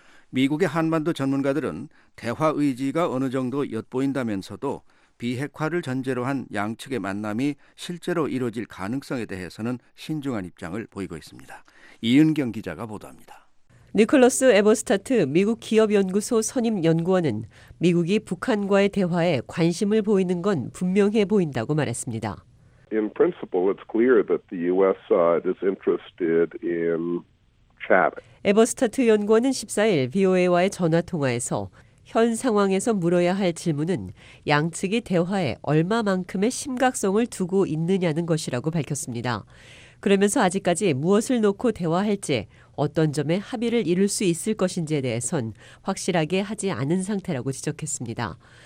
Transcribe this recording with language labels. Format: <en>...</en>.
<ko>미국의 한반도 전문가들은 대화 의지가 어느 정도 엿보인다면서도 비핵화를 전제로 한 양측의 만남이 실제로 이루어질 가능성에 대해서는 신중한 입장을 보이고 있습니다. 이은경 기자가 보도합니다. 니콜러스 에버스타트 미국 기업연구소 선임 연구원은 미국이 북한과의 대화에 관심을 보이는 건 분명해 보인다고 말했습니다.</ko> <en>In principle, it's clear that the U.S. side is interested in chatting.</en> <ko>에버스타트 연구원은 14일 VOA와의 전화통화에서 현 상황에서 물어야 할 질문은 양측이 대화에 얼마만큼의 심각성을 두고 있느냐는 것이라고 밝혔습니다. 그러면서 아직까지 무엇을 놓고 대화할지 어떤 점에 합의를 이룰 수 있을 것인지에 대해선 확실하게 하지 않은 상태라고 지적했습니다.</ko>